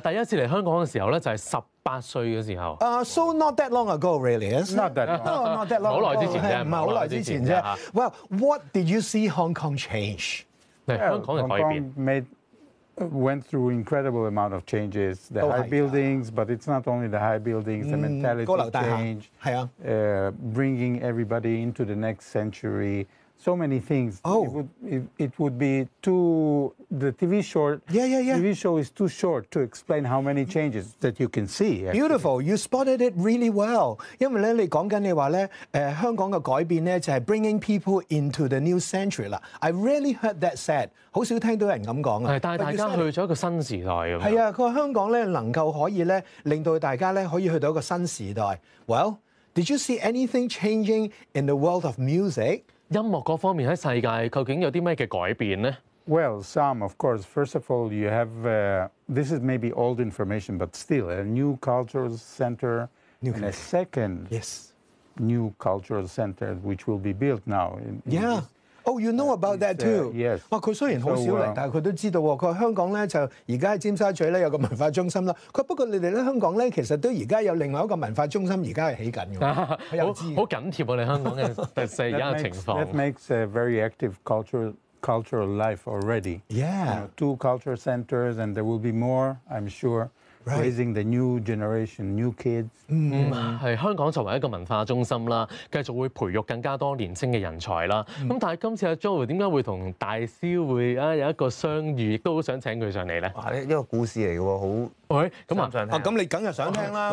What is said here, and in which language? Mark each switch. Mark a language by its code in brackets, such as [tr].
[yue] 但係第一次嚟香港嘅時候咧，就係18歲嘅時候。 [en] So not that long ago, really? Not that long. [yue] 好耐之前啫，唔係好耐之前啫。 [en] Well, what did you see Hong Kong change? Hong Kong went through incredible amount of changes. The high buildings, but it's not only the high buildings, the mentality change, bringing everybody into the next century. So many things. The TV short, TV show is too short to explain how many changes that you can see. Actually. Beautiful. You spotted it really well. [yue] 因為咧，你講緊你話咧，香港嘅改變咧就係 [en] bringing people into the new century [yue] 啦。 [en] I rarely heard that said. [yue] 好少聽到人咁講啊。係，但係大家去咗一個新時代咁。係啊，佢話香港咧能夠可以咧令到大家咧可以去到一個新時代。 [en] Well, did you see anything changing in the world of music? [yue] 音樂嗰方面喺世界究竟有啲咩嘅改變咧？ [en] Well, some, of course. First of all, you have, this is maybe old information, but still, a new cultural center, and a second new cultural center, which will be built now. Oh, you know about that too? Yes. [yue] 哇，佢雖然好少嚟，但係佢都知道喎。佢話香港咧就而家喺尖沙咀咧有個文化中心啦。佢不過你哋咧香港咧其實都而家有另外一個文化中心，而家係起緊嘅。好緊貼我哋香港嘅特色而家情況。 [en] That makes a very active cultural life already. Yeah. You know, two culture centers, and there will be more, I'm sure. Right. Raising the new generation, new kids. [yue] 係香港作為一個文化中心啦，繼續會培育更加多年青嘅人才啦。咁但係今次阿 Joe 點解會同大師會啊有一個相遇，亦都好想請佢上嚟咧？哇！呢個故事嚟嘅喎，好。喂，咁啊，咁你梗係想聽啦。